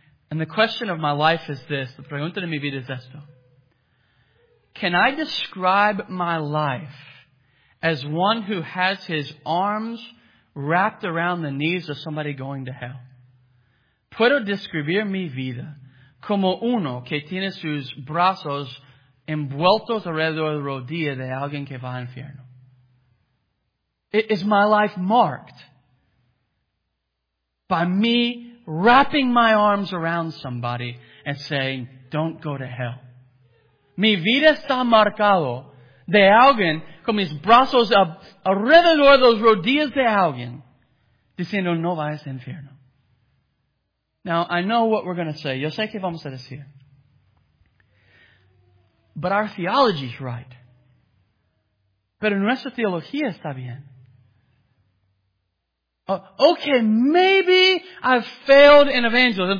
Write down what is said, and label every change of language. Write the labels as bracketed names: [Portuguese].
[English] And the question of my life is this. [Spanish] La pregunta de mi vida es esto. [English] Can I describe my life as one who has his arms wrapped around the knees of somebody going to hell? [Spanish] ¿Puedo describir mi vida como uno que tiene sus brazos envueltos alrededor de la rodilla de alguien que va al infierno? [English] ¿Is my life marked by me wrapping my arms around somebody and saying, don't go to hell? [Spanish] Mi vida está marcado de alguien con mis brazos alrededor de las rodillas de alguien diciendo, no vayas al infierno. [English] Now, I know what we're going to say. [Spanish] Yo sé que vamos a decir. [English] But our theology is right. [Spanish] Pero nuestra teología está bien. [English] Okay, maybe I've failed in evangelism.